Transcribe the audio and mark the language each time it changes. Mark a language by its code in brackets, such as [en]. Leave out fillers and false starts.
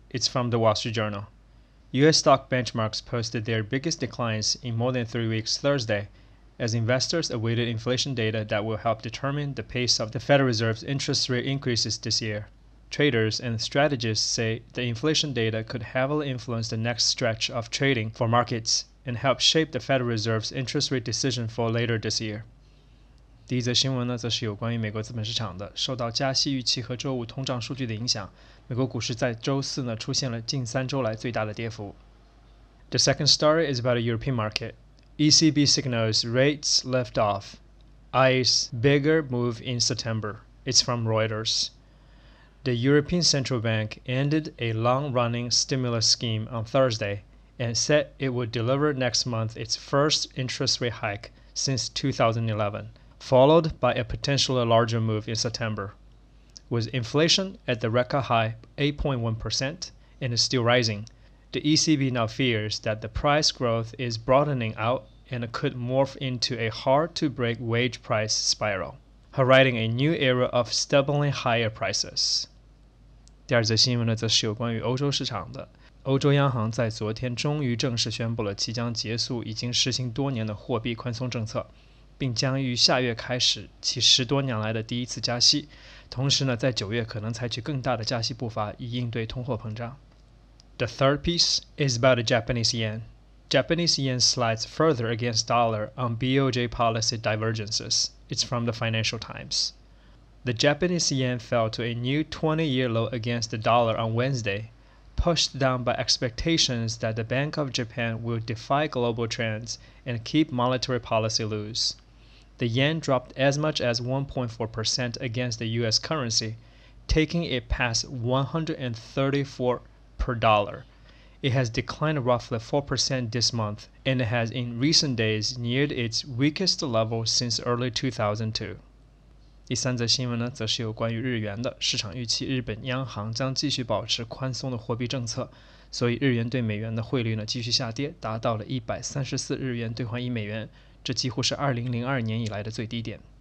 [en] It's from the Wall Street Journal. US stock benchmarks posted their biggest declines in more than 3 weeks Thursday,as investors awaited inflation data that will help determine the pace of the Federal Reserve's interest rate increases this year. Traders and strategists say the inflation data could heavily influence the next stretch of trading for markets and help shape the Federal Reserve's interest rate decision for later this year. [zh] 第一则新闻呢，则是有关于美国资本市场的。受到加息预期和周五通胀数据的影响，美国股市在周四呢，出现了近三周来最大的跌幅。 [en] The second story is about the European market. ECB signals rates lift off, ICE bigger move in September. It's from Reuters. The European Central Bank ended a long-running stimulus scheme on Thursday and said it would deliver next month its first interest rate hike since 2011, followed by a potentially larger move in September. With inflation at the record high 8.1% and is still rising, the ECB now fears that the price growth is broadening outand could morph into a hard-to-break wage price spiral, heralding a new era of stubbornly higher prices. [zh] 第二则新闻呢，则是有关于欧洲市场的。欧洲央行在昨天终于正式宣布了即将结束已经实行多年的货币宽松政策，并将于下月开始其十多年来的第一次加息，同时呢，在九月可能采取更大的加息步伐以应对通货膨胀。 [en] The third piece is about the Japanese yen. Japanese yen slides further against dollar on BOJ policy divergences. It's from the Financial Times. The Japanese yen fell to a new 20-year low against the dollar on Wednesday, pushed down by expectations that the Bank of Japan will defy global trends and keep monetary policy loose. The yen dropped as much as 1.4% against the US currency, taking it past 134 per dollar. It has declined roughly 4% this month, and has in recent days neared its weakest level since early 2002. [zh] 第三则新闻呢，则是有关于日元的。市场预期日本央行将继续保持宽松的货币政策，所以日元对美元的汇率呢继续下跌，达到了134日元兑换一美元，这几乎是2002年以来的最低点。